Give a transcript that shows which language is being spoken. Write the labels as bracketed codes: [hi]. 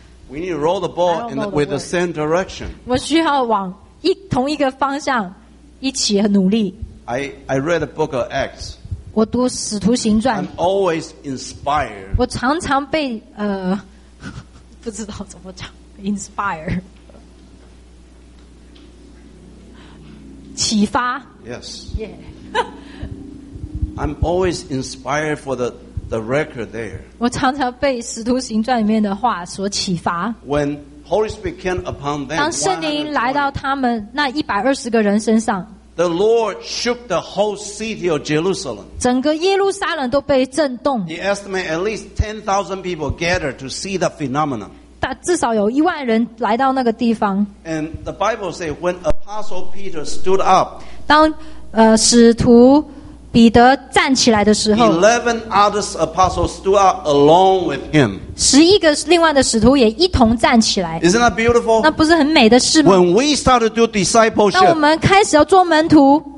[en] We need to roll the ball in with the same direction. [zh] 我需要往同一个方向一起努力。 [en] I read the book of Acts. [zh] 我读《使徒行传》。 [en] I'm always inspired. [zh] 我常常被不知道怎么讲 inspire 启发。 [en] Yes. Yeah. I'm always inspired for the record there. [zh] 我常常被《使徒行传》里面的话所启发。 [en] When Holy Spirit came upon them, [zh] 当圣灵来到他们那一百二十个人身上 [en] ，The Lord shook the whole city of Jerusalem. [zh] 整个耶路撒冷都被震动。 [en] He estimated at least 10,000 people gathered to see the phenomenon. [zh] 但至少有一万人来到那个地方。 [en] And the Bible says, when Apostle Peter stood up, [zh] 当使徒彼得站起来的时候 [en] ，11 other apostles stood up along with him. [zh] 十一个另外的使徒也一同站起来。 [en] Isn't that beautiful? [zh] 那不是很美的事吗 [en] ？When we start to do discipleship, [zh] 当我们开始要做门徒